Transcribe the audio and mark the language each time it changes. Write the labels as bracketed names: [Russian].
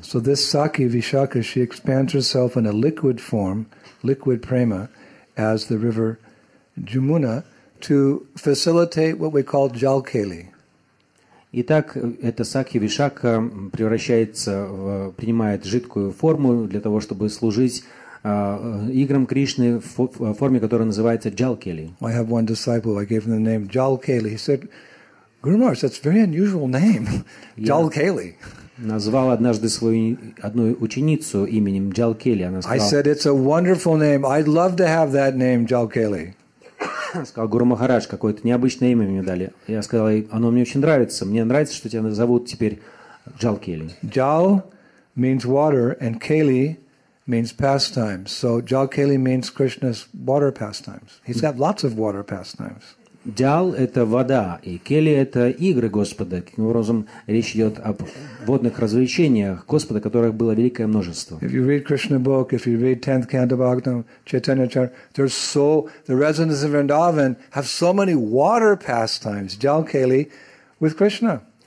[English] So this Sakhi Vishakha, she expands herself in a liquid form, liquid prema, as the river Jamuna, to facilitate what we call Jalkeli. [Russian] Итак, эта Сакхи Вишакха превращается, принимает жидкую форму для того, чтобы служить играм Кришны в форме, которая называется Jalkeli. [English] I have one disciple, I gave him the name Jalkeli. He said, Guru Maharaj, that's a very unusual name, Jalkeli. [Russian] Назвал однажды свою одну ученицу именем Джалкели. Она сказала, [English] I said, it's a wonderful name. I'd love to have that name, Джалкели. [Russian] Сказал, Гуру Махарадж, какое-то необычное имя мне дали. Я сказал, оно мне очень нравится. Мне нравится, что тебя зовут теперь Джалкели. [English] Джал means water, and Кели means pastimes. So Джалкели means Krishna's water pastimes. He's got lots of water pastimes. [Russian] Джал – это вода, и кели – это игры Господа. Таким образом, речь идет об водных развлечениях Господа, которых было великое множество. [English] If you read Krishna book, if you read 10th Canto Bhagavatam, Chaitanya Char, there's so, the residents of Vrindavan have so many water pastimes, Джал Кели, with Krishna.